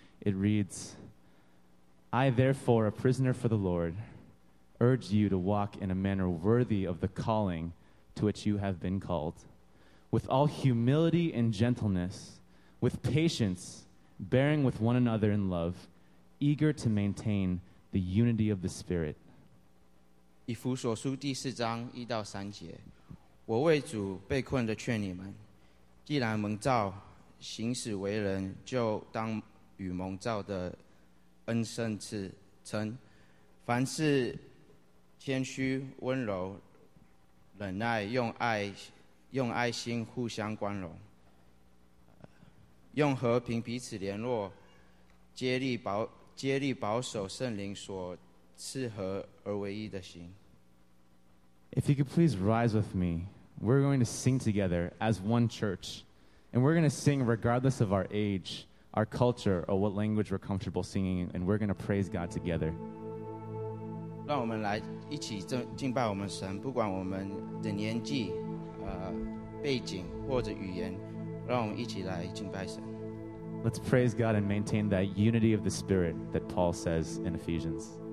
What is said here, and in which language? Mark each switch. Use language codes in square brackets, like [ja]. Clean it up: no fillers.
[en] It reads, I therefore, a prisoner for the Lord, urge you to walk in a manner worthy of the calling to which you have been called, with all humility and gentleness, with patience, bearing with one another in love, eager to maintain the unity of the Spirit. [zh] 以弗所书第四章一到三节，我为主被困的劝你们，既然蒙召行使为人，就当与蒙召的恩圣赐称，凡事谦虚温柔忍耐，用爱心互相宽容，用和平彼此联络，竭力保守圣灵所赐合而为一的心。 [en] If you could please rise with me, we're going to sing together as one church. And we're going to sing regardless of our age, our culture, or what language we're comfortable singing, and we're going to praise God together. [zh] 让我们来一起敬拜我们神，不管我们的年纪、背景或者语言，让我们一起来敬拜神。 [en] Let's praise God and maintain that unity of the Spirit that Paul says in Ephesians.